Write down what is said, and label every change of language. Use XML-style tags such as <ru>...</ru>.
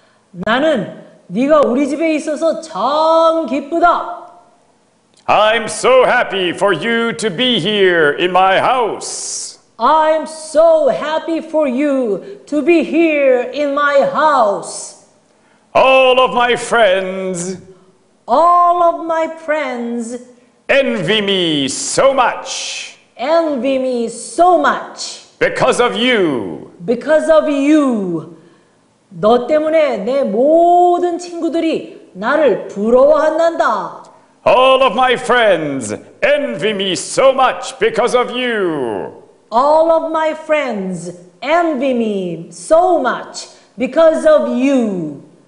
<ko>나는 네가 우리 집에 있어서 참 기쁘다!</ko> <en>I'm so happy for you to be here in my house. I'm so happy for you to be here in my house. All of my friends. All of my friends. Envy me so much. Envy me so much. Because of you. Because of you.</en> <ko>너 때문에 내 모든 친구들이 나를 부러워한단다.</ko> <en>All of my friends envy me so much because of you. All of my friends envy me so much because of you.</en>